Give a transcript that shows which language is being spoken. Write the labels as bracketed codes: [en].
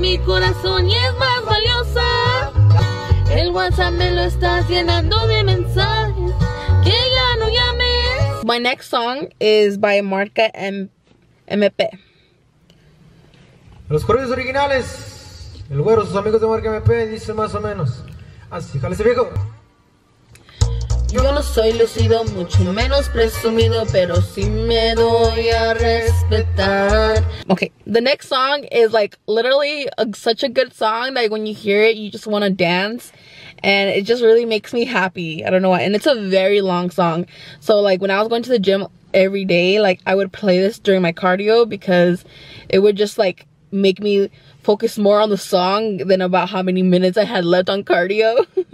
[es] Corazón y es más valiosa. El WhatsApp me lo está llenando de mensajes. Que ya no llames. [en] My next song is by Marca MP. [es] Los corridos originales. El güero, sus amigos de Marca MP, dice más o menos. Así, jálese viejo. Yo no soy lucido, mucho menos presumido, pero sí me doy a respetar. [en] Okay, the next song is like literally such a good song that when you hear it, you just want to dance. And it just really makes me happy. I don't know why. And it's a very long song. So like when I was going to the gym every day, like I would play this during my cardio because it would just like make me focus more on the song than about how many minutes I had left on cardio.